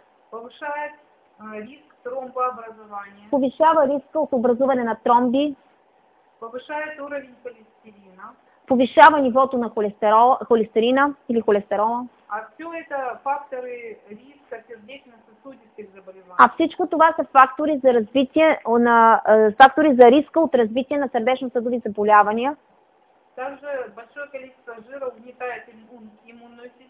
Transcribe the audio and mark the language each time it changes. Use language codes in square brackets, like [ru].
[ru] Повишает риск тромбообразования. [bg] Повишава риска от образуване на тромби. [ru] Повишает уровень холестерина. [bg] Повишава нивото на холестерина или холестерола. [ru] А все это факторы риска сърдечно-съсудистых заболеваний. [bg] А всичко това са фактори за развитие на фактори за риска от развитие на сърдечно-съдови заболявания. [ru] Также большое количество жира угнетает имунную систему.